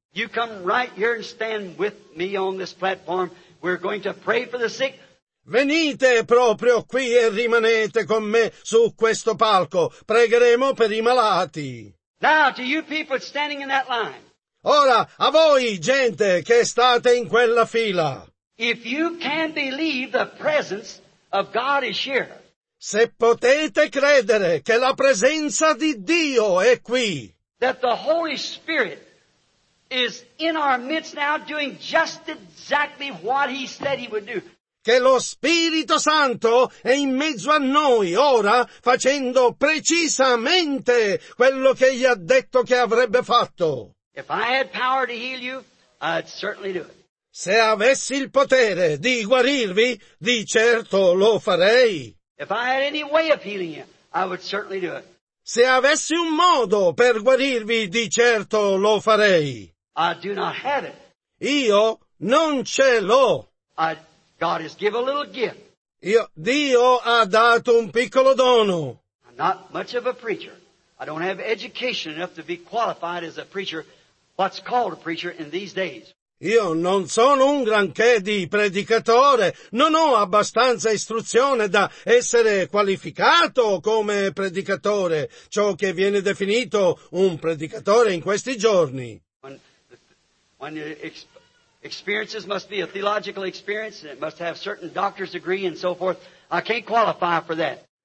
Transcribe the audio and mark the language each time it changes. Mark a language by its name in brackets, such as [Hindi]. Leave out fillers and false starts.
[English] you come right here and stand with me on this platform. We're going to pray for the sick. [Italian] Venite proprio qui e rimanete con me su questo palco. Pregheremo per i malati. [English] Now, to you people standing in that line. [Italian] Ora, a voi, gente, che state in quella fila. [English] If you can believe the presence of God is here. [Italian] Se potete credere che la presenza di Dio è qui. [English] That the Holy Spirit is in our midst now doing just exactly what he said he would do. [Italian] Che lo Spirito Santo è in mezzo a noi ora facendo precisamente quello che gli ha detto che avrebbe fatto. [English] If I had power to heal you, I'd certainly do it. [Italian] Se avessi il potere di guarirvi, di certo lo farei. [English] If I had any way of healing you, I would certainly do it. [Italian] Se avessi un modo per guarirvi, di certo lo farei. [English] I do not have it. [Italian] Io non ce l'ho. [English] God has given a little gift. [Italian] Dio ha dato un piccolo dono. [English] I'm not much of a preacher. I don't have education enough to be qualified as a preacher, what's called a preacher in these days. [Italian] Io non sono un granché di predicatore, non ho abbastanza istruzione da essere qualificato come predicatore, ciò che viene definito un predicatore in questi giorni. [English] When experiences must be a theological experience, it must have certain doctor's degree and so forth, I can't qualify for that.